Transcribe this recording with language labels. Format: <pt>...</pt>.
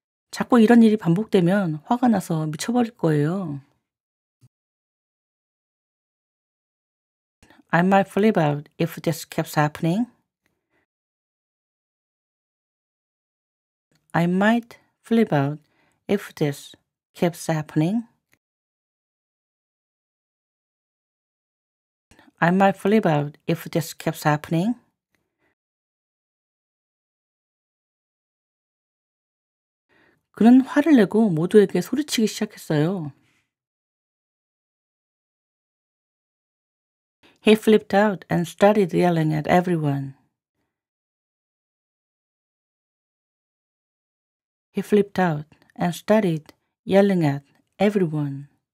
<ko>자꾸 이런 일이 반복되면 화가 나서 미쳐버릴 거예요.</ko> <en>I might flip out if this keeps happening. I might flip out if this keeps happening. I might flip out if this keeps happening.</en> <ko>그는 화를 내고 모두에게 소리치기 시작했어요.</ko> <en>He flipped out and started yelling at everyone. He flipped out and started yelling at everyone.</en>